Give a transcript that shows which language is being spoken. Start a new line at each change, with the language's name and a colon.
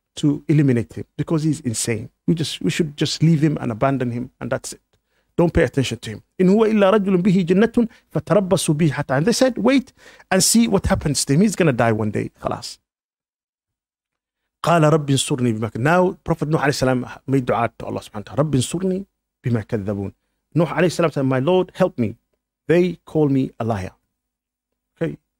English: to eliminate him because he's insane. We should just leave him and abandon him, and that's it. Don't pay attention to him.
Arabic: إن هو إلا رجل به جنة فتربصوا به حتى.
English: And they said, wait and see what happens to him. He's going to die one day. خلاص.
Arabic: قال رب انصرني بما كذبون.
English: Now, Prophet Nuh عليه السلام made dua to Allah سبحانه وتعالى.
Arabic: رب انصرني بما كذبون.
English: Nuh عليه السلام said, my Lord, help me. They call me a liar. Okay.